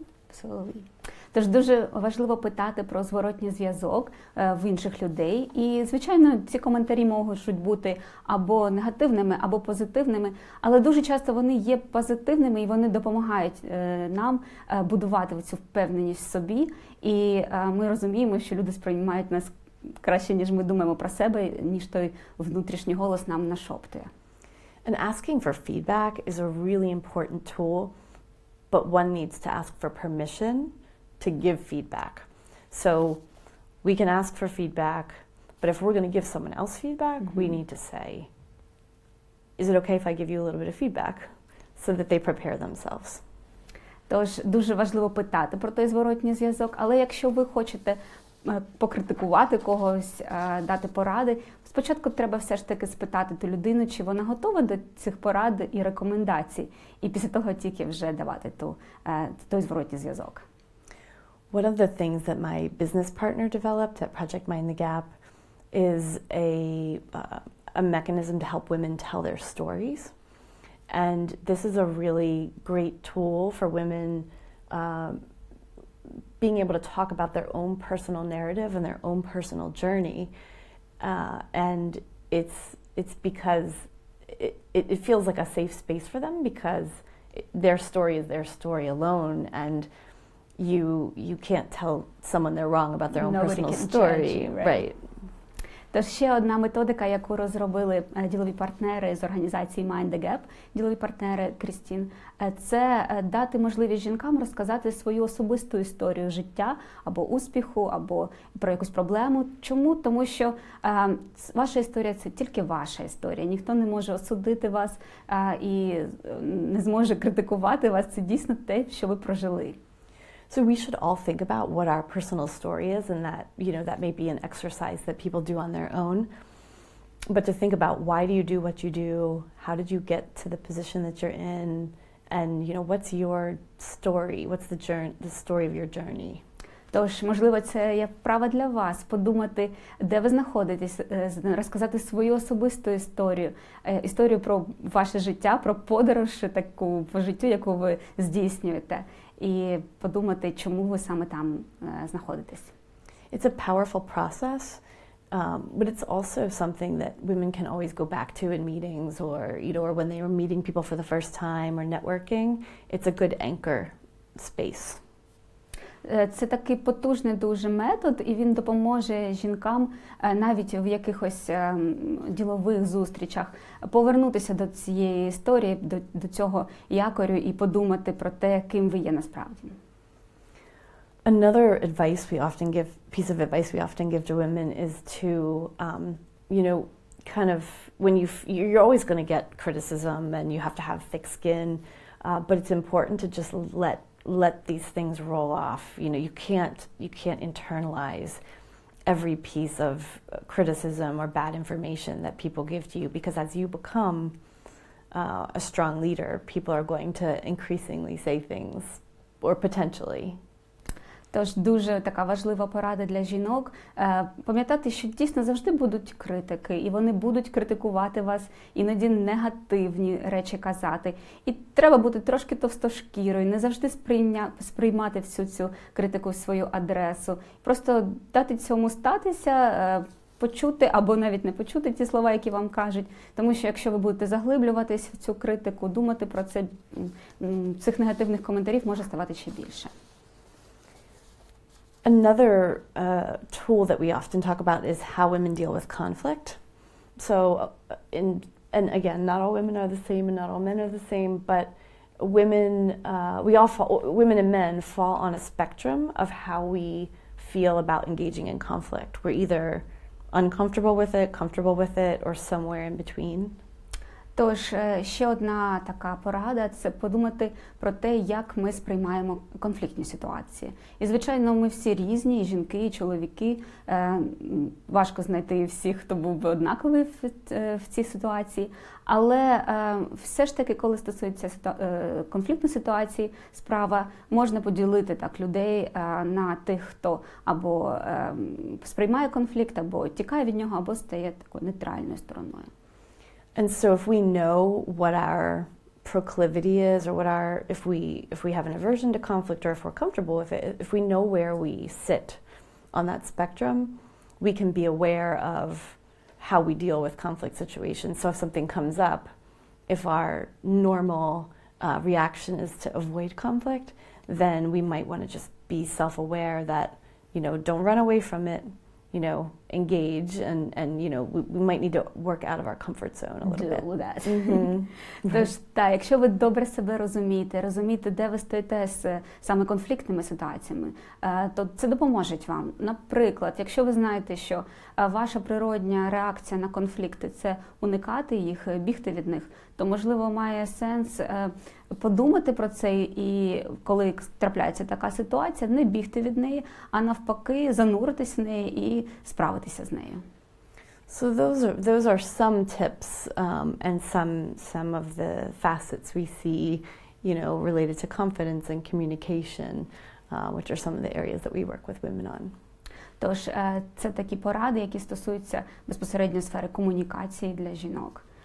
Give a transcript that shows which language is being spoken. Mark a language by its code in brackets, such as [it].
[en] Absolutely. [uk] Тож дуже важливо питати про зворотній зв'язок в інших людей. І, звичайно, ці коментарі можуть бути або негативними, або позитивними, але дуже часто вони є позитивними, і вони допомагають нам будувати цю впевненість в собі. І ми розуміємо, що люди сприймають нас краще, ніж ми думаємо про себе, ніж той внутрішній голос нам нашоптує. [en] And asking for feedback is a really important tool, but one needs to ask for permission to give feedback. So we can ask for feedback, but if we're going to give someone else feedback, mm-hmm. we need to say, is it okay if I give you a little bit of feedback, so that they prepare themselves. [uk] Тож дуже важливо питати про той зворотній зв'язок, але якщо ви хочете покритикувати когось, дати поради, спочатку треба все ж таки спитати ту людину, чи вона готова до цих порад і рекомендацій, і після того тільки вже давати той зворотній зв'язок. [en] One of the things that my business partner developed at Project Mind the Gap is a mechanism to help women tell their stories. And this is a really great tool for women being able to talk about their own personal narrative and their own personal journey. And it's because it feels like a safe space for them, because their story is their story alone, and you can't tell someone they're wrong about their own Nobody personal story, right? [uk] Тож ще одна методика, яку розробили ділові партнери з організації Mind the Gap, ділові партнери Кристін, це дати можливість жінкам розказати свою особисту історію життя або успіху, або про якусь проблему. Чому? Тому що ваша історія – це тільки ваша історія. Ніхто не може осудити вас і не зможе критикувати вас. Це дійсно те, що ви прожили. [en] So we should all think about what our personal story is, and that, you know, that may be an exercise that people do on their own. But to think about, why do you do what you do? How did you get to the position that you're in? And, you know, what's your story? What's the story of your journey? [uk] Тож, можливо, це є право для вас подумати, де ви знаходитесь, розказати свою особисту історію, історію про ваше життя, про подорож таку по життю, яку ви здійснюєте. І подумати, чому ви саме там знаходитесь. [en] It's a powerful process, but it's also something that women can always go back to in meetings, or, you know, or when they are meeting people for the first time or networking. It's a good anchor space. [uk] Це такий потужний дуже метод, і він допоможе жінкам навіть в якихось ділових зустрічах повернутися до цієї історії, до цього якорю і подумати про те, ким ви є насправді. [en] Another advice we often give, piece of advice we often give to women is to, you know, kind of when you're always going to get criticism and you have to have thick skin, but it's important to just let these things roll off. You know, you can't internalize every piece of criticism or bad information that people give to you, because as you become a strong leader, people are going to increasingly say things, or potentially. [uk] Тож дуже така важлива порада для жінок – пам'ятати, що дійсно завжди будуть критики, і вони будуть критикувати вас, іноді негативні речі казати. І треба бути трошки товстошкірою, не завжди сприймати всю цю критику в свою адресу. Просто дати цьому статися, почути або навіть не почути ті слова, які вам кажуть. Тому що якщо ви будете заглиблюватись в цю критику, думати про це, цих негативних коментарів може ставати ще більше. [en] Another tool that we often talk about is how women deal with conflict. So, and again, not all women are the same and not all men are the same, but women and men fall on a spectrum of how we feel about engaging in conflict. We're either uncomfortable with it, comfortable with it, or somewhere in between. [uk] Тож, ще одна така порада – це подумати про те, як ми сприймаємо конфліктні ситуації. І, звичайно, ми всі різні – і жінки, і чоловіки. Важко знайти всіх, хто був би однаковий в цій ситуації. Але все ж таки, коли стосується конфліктної ситуації, справа, можна поділити так людей на тих, хто або сприймає конфлікт, або тікає від нього, або стає такою нейтральною стороною. [en] And so if we know what our proclivity is, or what our if we have an aversion to conflict, or if we're comfortable with it, if we know where we sit on that spectrum, we can be aware of how we deal with conflict situations. So if something comes up, if our normal reaction is to avoid conflict, then we might want to just be self-aware that, you know, don't run away from it. You know, engage and you know, we might need to work out of our comfort zone a little bit. That. Mm-hmm. [uk] Тож, так, якщо ви добре себе розумієте, де ви стоїте з саме конфліктними ситуаціями, то це допоможе вам. Наприклад, якщо ви знаєте, що ваша природня реакція на конфлікти – це уникати їх, бігти від них, то, можливо, має сенс подумати про це, і коли трапляється така ситуація, не бігти від неї, а навпаки зануритись в неї і справитися з нею. [en] So those are some tips and some of the facets we see, you know, related to confidence and communication, which are some of the areas that we work with women on. [uk] Тож, це такі поради, які стосуються безпосередньо сфери комунікації для жінок.